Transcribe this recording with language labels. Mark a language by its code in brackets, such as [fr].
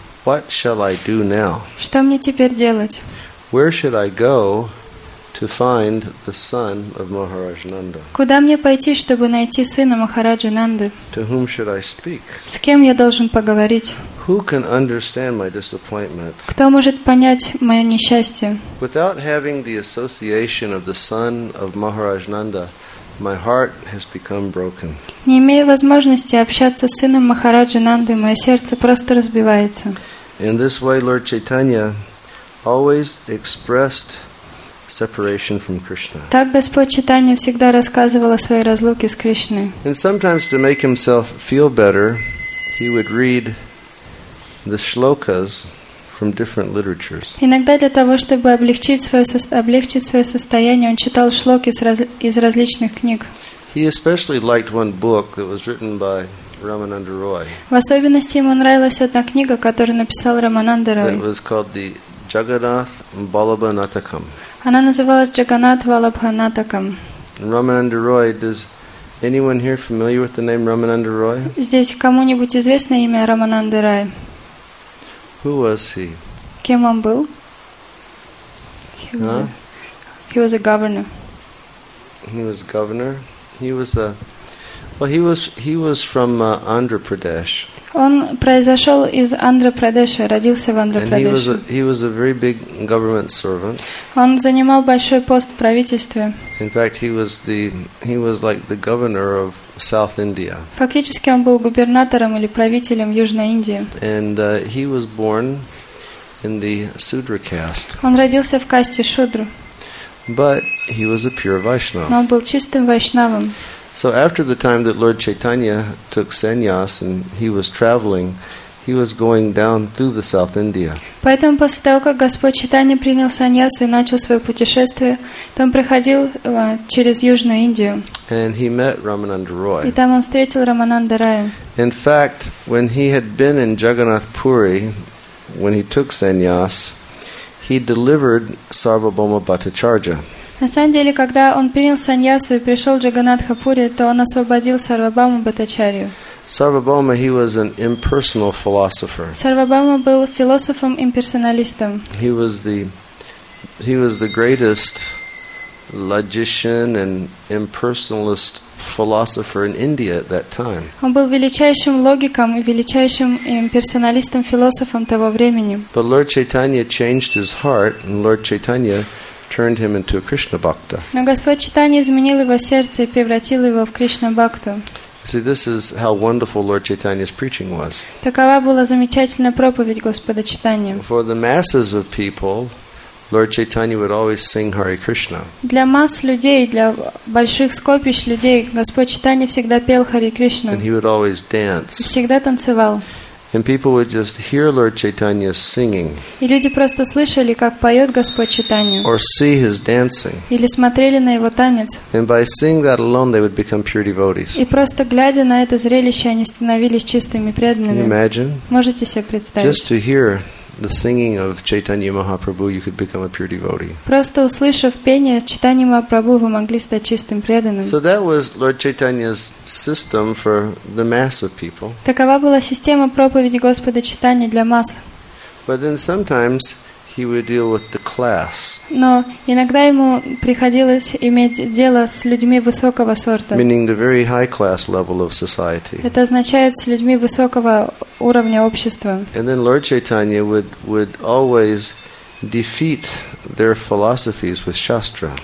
[en] What shall I do now? [ru] Что мне теперь делать? [en] Where should I go to find the son of Maharaj Nanda? [ru] Куда мне пойти, чтобы найти сына Махараджа Нанды? [en] To whom should I speak? [ru] С кем я должен поговорить? [en] Who can understand my disappointment? [ru] Кто может понять мое несчастье? [en] Without having the association of the son of Maharaj Nanda, my heart has become broken. [ru] Не имея возможности общаться с сыном Махараджа Нанды, мое сердце просто разбивается. [en] In this way, Lord Chaitanya always expressed separation from Krishna. [ru] Так Господь Читания всегда рассказывал о своей разлуке с Кришной. [en] And sometimes to make himself feel better, he would read the shlokas from different literatures. [ru] Иногда для того, чтобы облегчить свое состояние, он читал шлоки из различных книг. [en] He especially liked one book that was written by Ramananda Roy. [ru] В особенности ему нравилась одна книга, которую написал Рамананда Рой. [en] It was called the Jagannath Ballabha Natakam. [ru] Она называлась Jagannath Ballabha Natakam. [en] Ramananda Roy. Does anyone here familiar with the name Ramananda Roy? [ru] Здесь кому-нибудь известно имя Рамананда Рай? [en] Who was he? [ru] Кем он был? [en] He was a governor. He was from Andhra Pradesh. [ru] Он произошел из Андра Прадеша, родился в Андра Прадеше. [en] He was a very big government servant. [ru] Он занимал большой пост в правительстве. [en] In fact, he was like the governor of South India. [ru] Фактически он был губернатором или правителем Южной Индии. [en] And he was born in the Sudra caste. [ru] Он родился в касте Шудр. [en] But he was a pure Vaishnava. [ru] Но он был чистым вайшнавом. [en] So after the time that Lord Chaitanya took sannyas and he was traveling, he was going down through the South India. [ru] Поэтому после того, как Господь Чайтанья принял саньясу и начал свое путешествие, то он проходил через Южную Индию. [en] And he met Ramananda Roy. [ru] И там он встретил Рамананда Рая. [en] In fact, when he had been in Jagannath Puri, when he took sannyas, he delivered Sarvabhauma Bhattacharya. [ru] На самом деле, когда он принял саньясу и пришел в Джаганатхапури, то он освободил Сарвабхаума Бхаттачарью. [en] Sarvabhauma, he was an impersonal philosopher. [ru] Сарвабхаума был философом-имперсоналистом. [en] He was the greatest logician and impersonalist philosopher in India at that time. [ru] Он был величайшим логиком и величайшим имперсоналистом-философом того времени. [en] But Lord Chaitanya changed his heart, and Lord Chaitanya turned him into a Krishna Bhakta. [ru] Но Господь Чайтанья изменил его сердце и превратил его в Кришна Бхакту. [en] See, this is how wonderful Lord Chaitanya's preaching was. [ru] Такова была замечательная проповедь Господа Чайтанья. [en] For the masses of people, Lord Chaitanya would always sing Hare Krishna. [ru] Для масс людей, для больших скопищ людей, Господь Чайтанья всегда пел Hare Krishna. [en] And he would always dance. [ru] И всегда танцевал. [en] And people would just hear Lord Chaitanya singing. [ru] И люди просто слышали, как поет Господь Чайтанья. [en] Or see his dancing. [ru] Или смотрели на его танец. [en] And by seeing that alone, they would become pure devotees. [ru] И просто глядя на это зрелище, они становились чистыми преданными. [en] Can you imagine? [ru] Можете себе представить? [en] Just to hear the singing of Chaitanya Mahaprabhu, you could become a pure devotee. [ru] Просто услышав пение Чайтанья Махапрабху, вы могли стать чистым преданным. [en] So that was Lord Chaitanya's system for the mass of people. [ru] Такова была система проповеди Господа Чайтанья для масс. [en] But then sometimes he would deal with the class. [ru] Но иногда ему приходилось иметь дело с людьми высокого сорта. [en] Meaning the very high class level of society. [ru] Это означает с людьми высокого уровня общества. [en] And then Lord Chaitanya would always defeat their philosophies with shastra.